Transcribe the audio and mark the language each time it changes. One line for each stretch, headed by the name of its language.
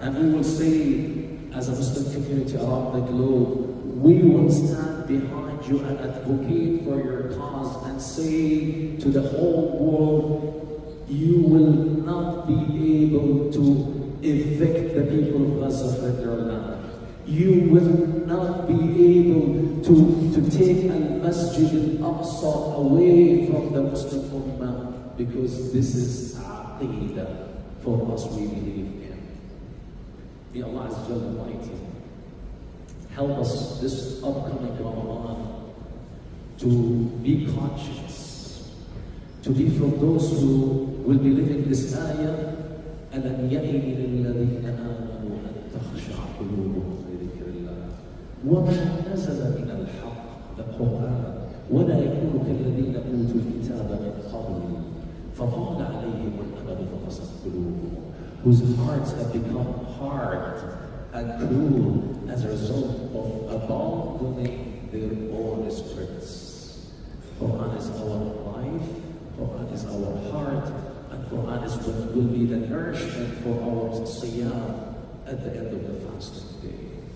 English: And we will say, as a Muslim community around the globe, we will stand behind you and advocate for your cause and say to the whole world, you will not be able to evict the people of Gaza from their land. You will not be able to take a masjid in Aqsa away from the Muslim Ummah, because this is aqidah for us, we believe in. May Allah Azza wa Jalla Almighty help us this upcoming Ramadan to be conscious, to be from those who will be living this ayah,
Arabic: أَلَمْ يَعِنِ لِلَّذِينَ آمَنُوا أَن تَخْشَعَ قُلُوبُهُمْ لِذِكْرِ اللَّهِ وَمَا نَزَلَ مِنَ الْحَقِّ الْقُرْآنِ وَلَا يَكُونُ كَالَّذِينَ أُوتُوا الْكِتَابَ مِنْ قَبْلِ فَطَالَ عَلَيْهِمُ الْأَمَدُ فَقَسَتْ قُلُوبُهُمْ.
English: Whose hearts have become hard and cruel as a result of abandoning their own spirits. Quran is our life, Quran is our heart, and Quran is what will be the nourishment for our siyam at the end of the fasting day.